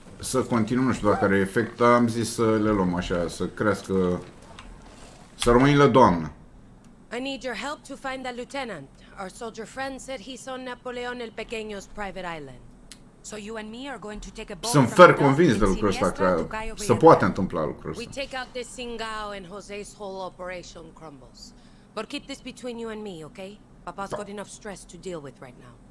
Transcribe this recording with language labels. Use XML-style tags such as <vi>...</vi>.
<ro>Să continuăm, nu știu dacă are efect, dar am zis să le luăm așa, să crească... Să rămâni la doamnă.</ro> <en>I need your help to find that lieutenant. Our soldier friend said he saw Napoleon el Pequeño's private island. So you and me are going to take a boat.</en> <ro>Sunt fer convins de lucrul ăsta, că se poate întâmpla lucrul ăsta.</ro> <en>We take out this Singao and Jose's whole operation crumbles. But keep this between you and me, okay? Papa's got enough stress to deal with right now.</en>